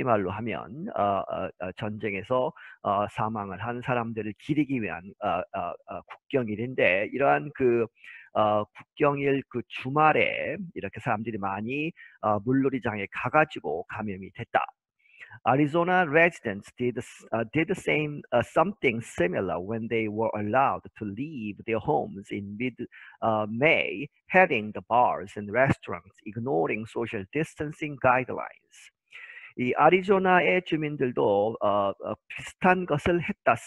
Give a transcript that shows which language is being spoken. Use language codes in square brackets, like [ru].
[ko] 우리말로 하면 전쟁에서 사망을 한 사람들을 기리기 위한 국경일인데 이러한 그 국경일 그 주말에 이렇게 사람들이 많이 물놀이장에 가가지고 감염이 됐다. [en] Arizona residents did the same something similar when they were allowed to leave their homes in mid May, heading the bars and restaurants, ignoring social distancing guidelines. [ko] 이 아리조나의 주민들도 비슷한 것을 했다.